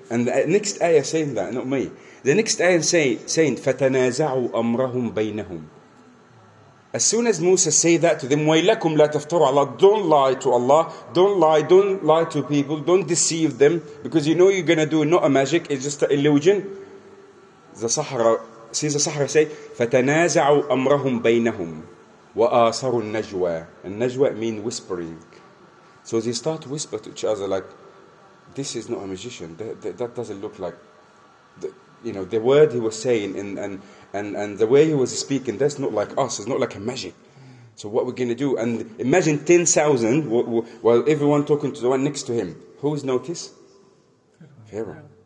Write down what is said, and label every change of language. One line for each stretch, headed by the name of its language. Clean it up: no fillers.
English: And the next ayah saying that, not me. The next ayah saying,
Arabic: فَتَنَازَعُوا أَمْرَهُمْ بَيْنَهُمْ.
English: As soon as Musa say that to them,
Arabic: وَيْلَكُمْ لَا تَفْتَرُوا عَلَىٰ.
English: Don't lie to Allah. Don't lie to people. Don't deceive them. Because you know you're going to do not a magic, it's just an illusion. The Sahara say,
Arabic: فَتَنَازَعُوا أَمْرَهُمْ بَيْنَهُمْ وَآثَرُوا النَّجْوَى.
English: And Najwa mean whispering. So they start to whisper to each other like, this is not a magician. That doesn't look like, the word he was saying and the way he was speaking, that's not like us. It's not like a magic. So what are we going to do? And imagine 10,000 while everyone talking to the one next to him. Who's noticed? Pharaoh.